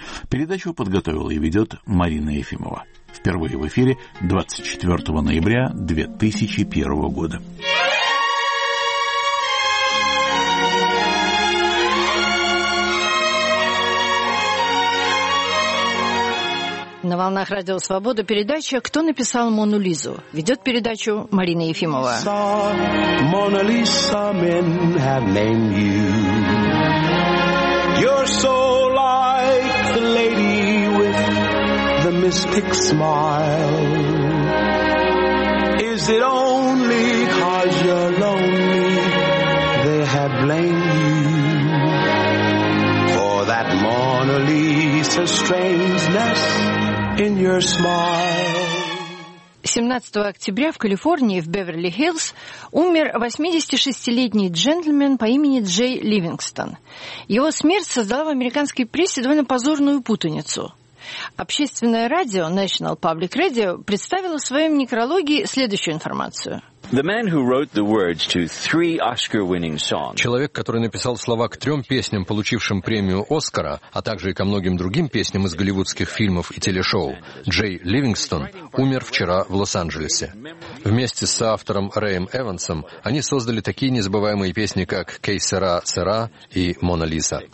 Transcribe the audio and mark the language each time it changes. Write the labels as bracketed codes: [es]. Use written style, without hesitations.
[ru] Передачу подготовила и ведет Марина Ефимова. Впервые в эфире 24 ноября 2001 года. На волнах радио «Свобода» передача «Кто написал Мону Лизу?» Ведет передачу Марина Ефимова. [en] Mona Lisa, men have named you. You're so like the lady with the mystic smile. Is it only 'cause you're lonely they have blamed you for that Mona Lisa strangeness in your smile. [ru] 17 октября в Калифорнии, в Беверли-Хиллз, умер 86-летний джентльмен по имени Джей Ливингстон. Его смерть создала в американской прессе довольно позорную путаницу. Общественное радио National Public Radio представило в своем некрологии следующую информацию. [en] The man who wrote the words to three Oscar-winning songs. [ru] Человек, который написал слова к трем песням, получившим премию Оскара, а также и ко многим другим песням из голливудских фильмов и телешоу, Джей Ливингстон, умер вчера в Лос-Анджелесе. Вместе с соавтором Рэем Эвансом они создали такие незабываемые песни, как «Кей сера сера» и «Мона Лиза».